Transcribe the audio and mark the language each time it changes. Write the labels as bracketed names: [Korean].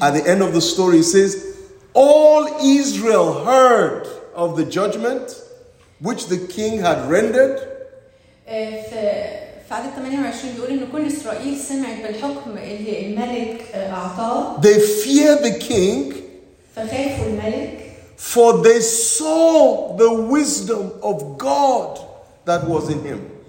[English] At the end of the story it says, all Israel heard of the judgment which the king had rendered. [Arabic] في عدد 28 بيقول إن كل إسرائيل سمعت بالحكم اللي الملك أعطاه. [English] They feared the king. [Arabic] فخافوا الملك. [English] For they saw the wisdom of God that was in him.